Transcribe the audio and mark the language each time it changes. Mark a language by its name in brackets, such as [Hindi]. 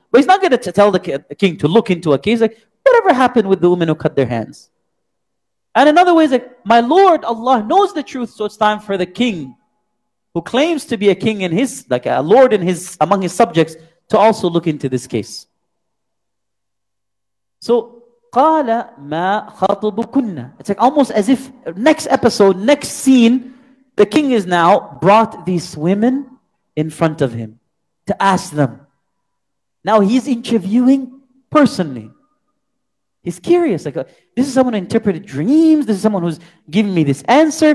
[English] But he's not going to tell the king to look into a case like, whatever happened with the women who cut their hands. And another way is like, my Lord, Allah knows the truth, so it's time for the king, who claims to be a king in his, like a lord in his, among his subjects, to also look into this case. So, [Arabic] قَالَ مَا خَطْبُكُنَّ. [English] It's like almost as if next episode, next scene, the king is now brought these women in front of him to ask them. Now he's interviewing personally. He's curious. Like, this is someone who interpreted dreams. This is someone who's giving me this answer.